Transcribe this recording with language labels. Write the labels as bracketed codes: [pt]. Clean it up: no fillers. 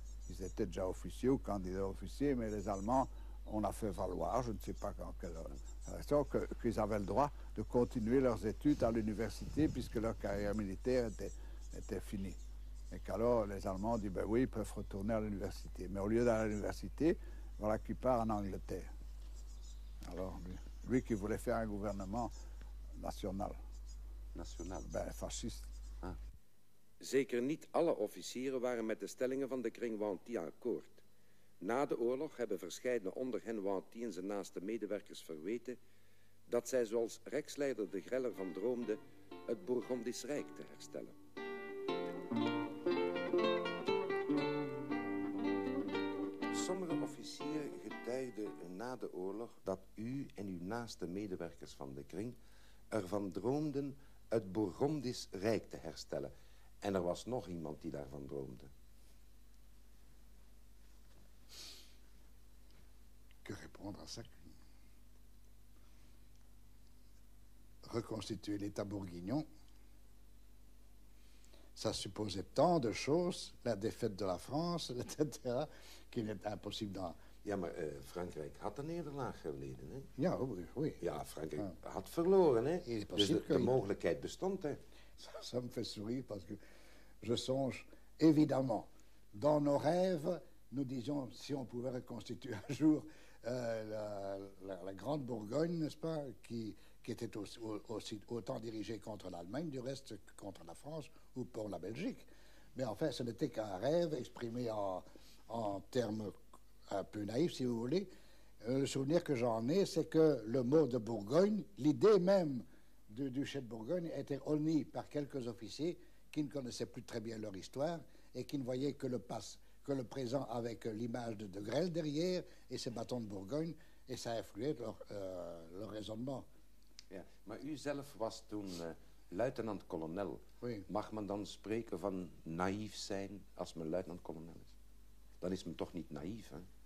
[fr] Ils étaient déjà officiers ou candidats officiers, mais les Allemands, on a fait valoir, je ne sais pas quand, qu'ils avaient le droit de continuer leurs études à l'université puisque leur carrière militaire était finie. Et qu'alors les Allemands ont dit, ben oui, ils peuvent retourner à l'université. Mais au lieu d'aller à l'université, voilà qu'il part en Angleterre. Alors lui qui voulait faire un gouvernement national. National. Ben fasciste. [nl] Zeker niet alle officieren waren met de stellingen van de kring Wauty akkoord. Na de oorlog hebben verscheidene onder hen Wauty en zijn naaste medewerkers verweten dat zij, zoals Rijksleider de Grel ervan droomde, het Bourgondisch Rijk te herstellen. Sommige officieren getuigden na de oorlog dat u en uw naaste medewerkers van de kring ervan droomden het Bourgondisch Rijk te herstellen. En er was nog iemand die daarvan droomde. [fr] Que répondre à ça? Reconstituer l'État bourguignon, ça supposait tant de choses, la défaite de la France, etc., qu'il est impossible d'en... [nl] Ja, maar Frankrijk had een nederlaag geleden, hè? [fr] Ja, oui. [nl] Ja, Frankrijk had verloren, hè? Dus de mogelijkheid bestond, hè? [fr] Ça me fait sourire, parce que... Je songe, évidemment, dans nos rêves, nous disions, si on pouvait reconstituer un jour la Grande Bourgogne, n'est-ce pas, qui était aussi autant dirigée contre l'Allemagne, du reste, contre la France ou pour la Belgique. Mais enfin, ce n'était qu'un rêve exprimé en termes un peu naïfs, si vous voulez. Le souvenir que j'en ai, c'est que le mot de Bourgogne, l'idée même du duché de Bourgogne, était honnie par quelques officiers qui ne connaissaient plus très bien leur histoire et qui ne voyaient que le présent avec l'image de Grel derrière et ses bâtons de Bourgogne, et ça influait leur raisonnement. [nl] Ja, maar u zelf was toen luitenant-kolonel. [fr] Oui. [nl] Mag men dan spreken van naïef zijn als men luitenant-kolonel is? Dan is men toch niet naïef, hè?